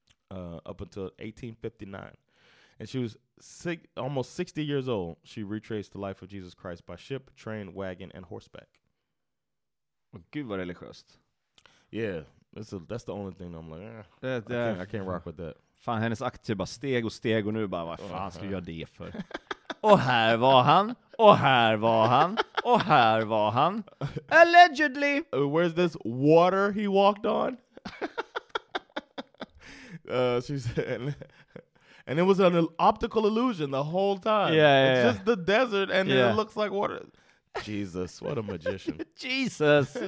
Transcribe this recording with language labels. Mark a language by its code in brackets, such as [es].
[en] Up until 1859. And she was almost 60 years old. She retraced the life of Jesus Christ by ship, train, wagon, and horseback. [sv] Oh, gud vad religiöst. [en] Yeah, that's the only thing I'm like, I can't rock with that. [sv] Fan, hennes aktier bara steg och steg och nu bara, vad fan ska jag göra det för? Och här var han, och här var han, och här var han. [en] Allegedly! Where's this water he walked on? She said, and it was an optical illusion the whole time. Yeah. Just the desert, and it looks like water. Jesus, what a magician. Jesus.